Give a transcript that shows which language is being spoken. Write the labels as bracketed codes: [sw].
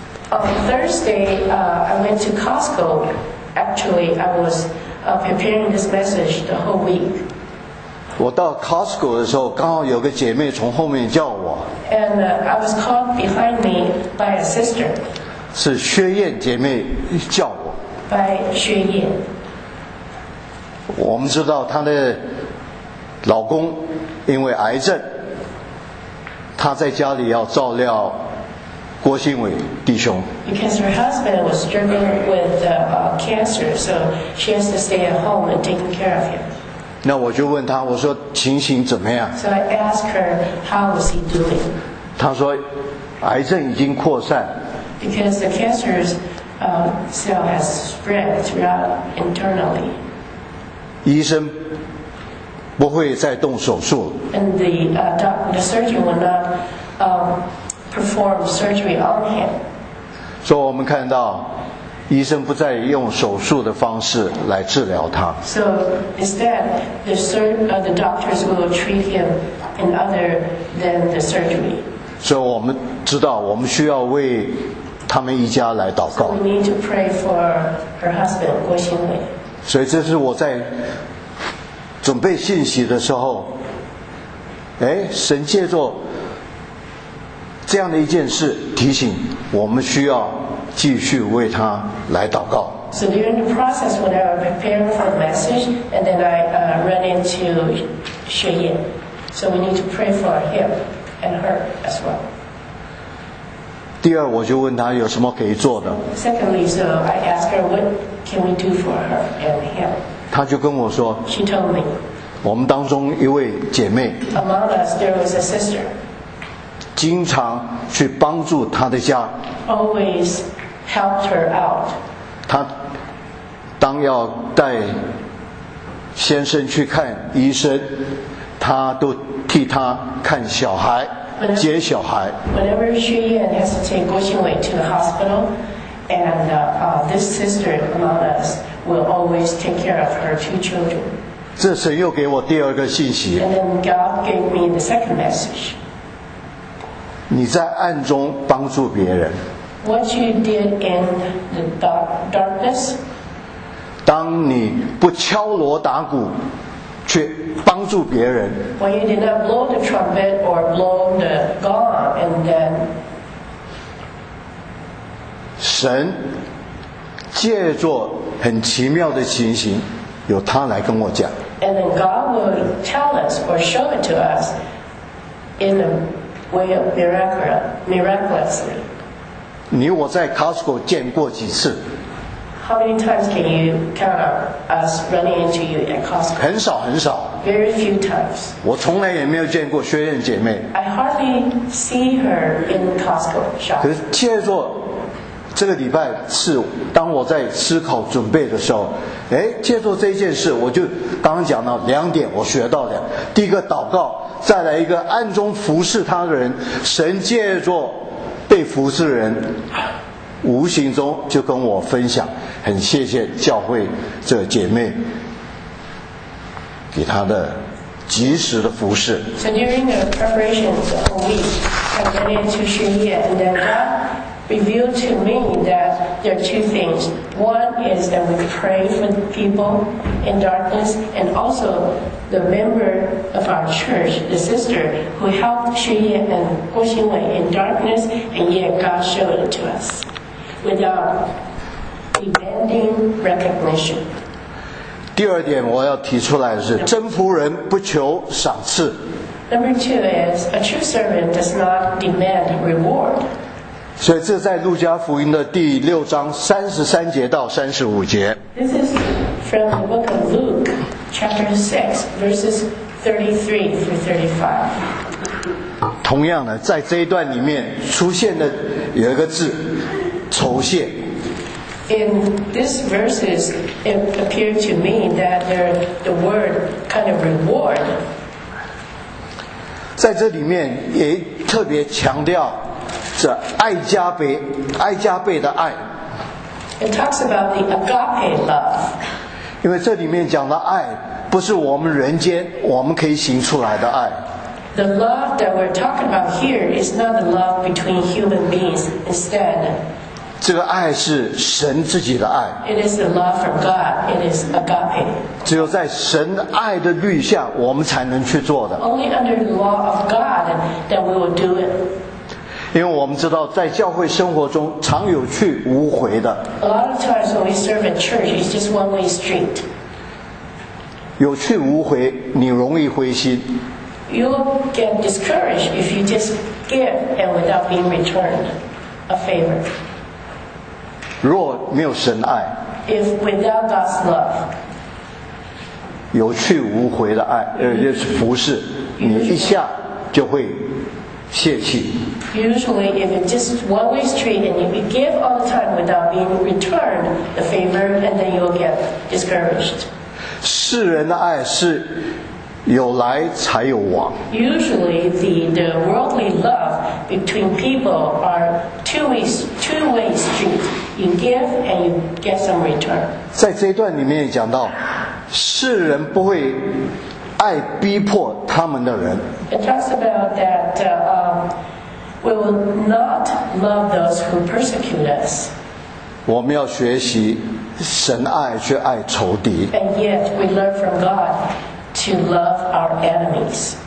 [en] On Thursday, I went to Costco. Actually, I was preparing this message the whole week. [zh] 我到 Costco 的时候，刚好有个姐妹从后面叫我。 [en] And I was called behind me by a sister. [zh] 是薛燕姐妹叫我。 [en] By 薛燕。 [zh] 我们知道她的老公因为癌症，她在家里要照料郭兴伟弟兄。 [en] Because her husband was struggling with cancer, so she has to stay at home and taking care of him. [zh] 那我就问他，我说情形怎么样？ [en] So I asked her, how was he doing? [zh] 他说癌症已经扩散。 [en] Because the cancer's cell has spread throughout internally. [zh] 医生不会再动手术。 [en] And the surgeon will not perform surgery on him. [zh] 所以我们看到医生不再用手术的方式来治疗他。 [en] So instead, the doctors will treat him in other than the surgery. [zh] 所以我们知道，我们需要为他们一家来祷告。 [en] So we need to pray for her husband, 郭新伟。 [zh] 所以这是我在准备信息的时候，哎，神借着这样的一件事提醒我们，需要继续为他来祷告。 [en] So during the process when I was preparing for the message, and then I ran into Xue Yin. So we need to pray for him and her as well. [zh] 第二，我就问他有什么可以做的。 [en] Secondly, so I asked her what can we do for her and him. [zh] 他就跟我说。 [en] She told me. [zh] 我们当中一位姐妹。 [en] Among us, there was a sister. [zh] 经常去帮助他的家。 [en] Always helped her out. [zh] 他当要带先生去看医生，他都替他看小孩，接小孩。 [en] Whenever Xue Yin has to take Guo Xinwei to the hospital, and this sister among us will always take care of her two children. [zh] 这神又给我第二个信息。 [en] And then God gave me the second message. [zh] 你在暗中帮助别人。 [en] What you did in the darkness? [zh] 当你不敲锣打鼓去帮助别人。 [en] When you did not blow the trumpet or blow the gong, and then [zh] 神借着很奇妙的情形，由他来跟我讲。 [en] And then God will tell us or show it to us in a way of miraculously. [zh] 你我在 Costco 见过几次。 [en] How many times can you count us running into you at Costco? [zh] 很少很少。 [en] Very few times. [zh] 我从来也没有见过薛燕姐妹。 [en] I hardly see her in Costco shop. [zh] 可是借着这个礼拜是当我在思考准备的时候，哎，借着这件事，我就刚讲到两点，我学到了。第一个祷告，再来一个暗中服侍他的人，神借着被服侍的人无形中就跟我分享，很谢谢教会这姐妹给她的及时的服侍。 [en] So during the preparation of the whole week, I went into Xue Yin, and then God revealed to me that there are two things. One is that we pray for people in darkness, and alsoThe member of our church, the sister who helped Xue Yin and Guo Xinwei in darkness, and yet God showed it to us without demanding recognition. [zh] 第二点我要提出来的是，真仆人不求赏赐。 [en] Number two is a true servant does not demand reward. [zh] 所以这在路加福音的第六章三十三节到三十五节。 [en] This is from the book of Luke, chapter 6, verses 33 through 35. [zh] 同样的，在这一段里面出现的有一个字，酬谢。 [en] In these verses, it appeared to me that there the word kind of reward. [zh] 在这里面也特别强调这爱加倍，爱加倍的爱。 [en] It talks about the agape love. [zh] 因为这里面讲的爱，不是我们人间我们可以行出来的爱。 [en] The love that we're talking about here is not the love between human beings. Instead, [zh] 这个爱是神自己的爱。 [en] It is the love from God. It is agape. [zh] 只有在神爱的律下，我们才能去做的。 [en] Only under the law of God that we will do it. [zh] 因为我们知道在教会生活中常有去无回的。 [en] A lot of times when we serve in church, it's just one way street. [zh] 有去无回，你容易灰心。 [en] You get discouraged if you just give and without being returned a favor. [zh] 若没有神爱， [en] If without God's love, [zh] 有去无回的爱，就是服侍，你一下就会泄气。 [en] Usually, if it's just one way street and you give all the time without being returned the favor, and then you'll get discouraged. [zh] 世人的爱是有来才有往。 [en] Usually, the worldly love between people are two-way street. You give and you get some return. [zh] 在这一段里面也讲到，世人不会爱逼迫他们的人。 [en] It talks about that we will not love those who persecute us. [zh] 我们要学习神爱却爱仇敌。 [en] And yet we learn from God to love our enemies.